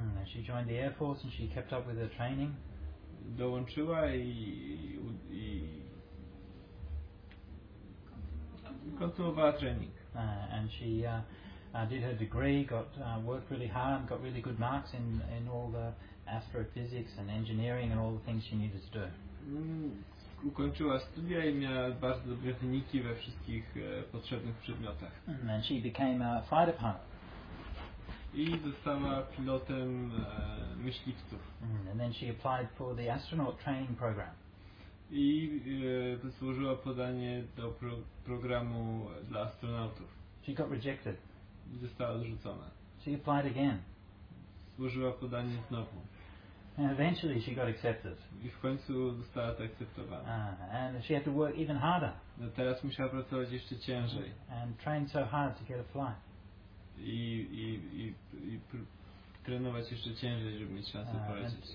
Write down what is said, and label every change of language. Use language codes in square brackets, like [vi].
[en] She joined the Air Force and she kept up with her training. [pl] Dołączyła i kontynuowała trening. [en] And she did her degree, got worked really hard, got really good marks in all the astrophysics and engineering and all the things she needed to do. [pl] Ukończyła studia i miała bardzo dobre wyniki we wszystkich potrzebnych przedmiotach. [en] And she became a fighter pilot. [pl] I została pilotem myśliwców. [en] And then she applied for the astronaut training program. [pl] I złożyła podanie do programu dla astronautów. [en] She got rejected. [pl] Została odrzucona. [en] She applied again. [pl] Złożyła podanie znowu. [en] And eventually she got accepted. [pl] I w końcu została zaakceptowana. [en] And she had to work even harder. [pl] No teraz musiała pracować jeszcze ciężej. [en] And train so hard to get a flight. [pl] I trenować jeszcze ciężej, żeby mieć szansę polecieć.